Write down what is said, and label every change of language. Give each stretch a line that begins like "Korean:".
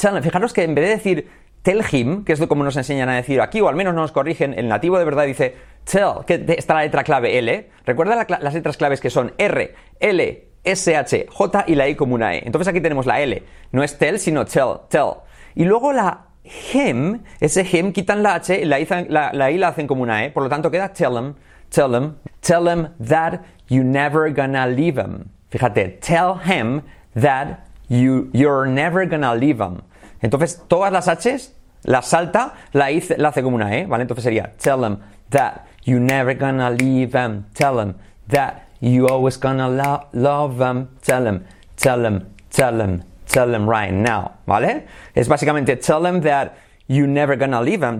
Spanish: Fijaros que en vez de decir
English: tell him,
Spanish: que es como nos enseñan a decir aquí, o al menos nos corrigen, el nativo de verdad dice tell, que está la letra clave L. Recuerda las letras claves, que son R, L, S, H, J y la I como una E. Entonces aquí tenemos la L. No es tell, sino tell. Y luego la him, ese him, quitan la H y la I la hacen como una E. Por lo tanto queda
English: tell him that you never gonna leave him.
Spanish: Fíjate,
English: tell him that you're never gonna leave him.
Spanish: Entonces todas las H's la salta, la hace como una E, ¿vale? Entonces sería
English: tell him that you never gonna leave him. Tell him that you always gonna love them. Tell them right now,
Spanish: ¿vale? Es básicamente
English: tell them that you never gonna leave them.